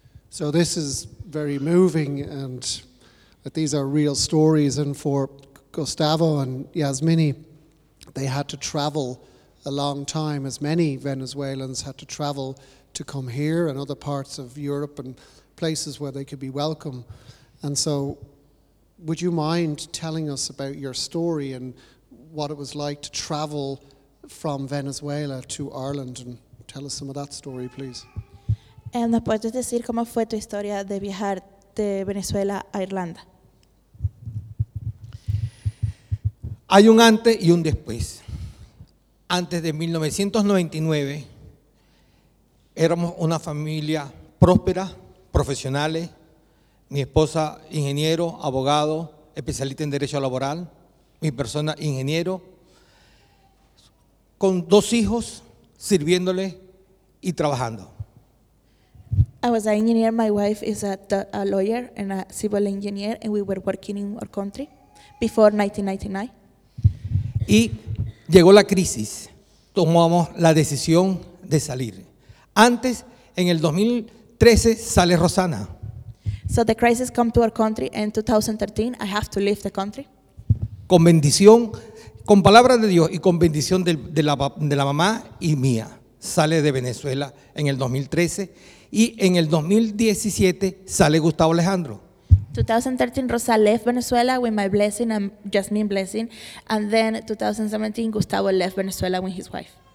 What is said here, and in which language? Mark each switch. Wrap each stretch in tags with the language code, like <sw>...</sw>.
<en>So this is very moving and but these are real stories, and for Gustavo and Yasmini, they had to travel a long time, as many Venezuelans had to travel to come here and other parts of Europe and places where they could be welcome. And so would you mind telling us about your story and what it was like to travel from Venezuela to Ireland, and tell us some of that story, please?</en> <es>¿Nos puedes decir cómo fue tu historia de viajar de Venezuela a Irlanda? Hay un antes y un después. Antes de 1999, éramos una familia próspera, profesionales. Mi esposa, ingeniero, abogado, especialista en derecho laboral. Mi persona, ingeniero. Con dos hijos, sirviéndole y trabajando.</es> <en>I was an engineer. My wife is a lawyer and a civil engineer, and we were working in our country before 1999.</en> <es>Y llegó la crisis, tomamos la decisión de salir. Antes, en el 2013, sale Rossana.</es> <en>So the crisis come to our country, and in 2013, I have to leave the country.</en> <es>Con bendición, con palabra de Dios y con bendición de la mamá y mía, sale de Venezuela en el 2013. Y en el 2017, sale Gustavo Alejandro.</es> <en>2013, Rosa left Venezuela with my blessing and Jasmine blessing, and then 2017, Gustavo left Venezuela with his wife.</en>